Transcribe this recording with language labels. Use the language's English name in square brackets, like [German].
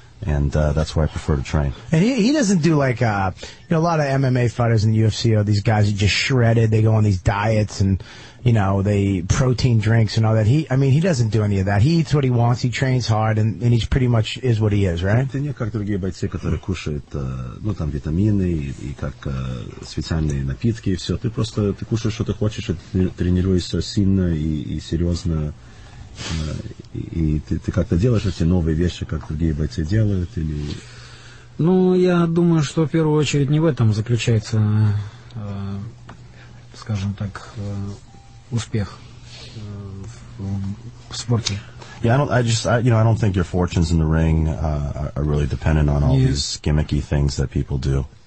[English] And that's where I prefer to train. And he doesn't do like you know, a lot of MMA fighters in the UFC are these guys who just shredded. They go on these diets and, you know, they protein drinks and all that. He doesn't do any of that. He eats what he wants. He trains hard, and he's pretty much is what he is, right? [Russian] Ты не как другие бойцы, которые кушают, ну там витамины и как специальные напитки и все. Ты просто ты кушаешь, что ты хочешь, тренируешься сильно и серьезно. И ты как-то делаешь эти новые вещи, как другие бойцы делают, или... Ну, я думаю, что в первую очередь не в этом заключается, скажем так, успех в спорте. [English] Yeah, I don't think your fortunes in the ring are really dependent on all these gimmicky things that people do.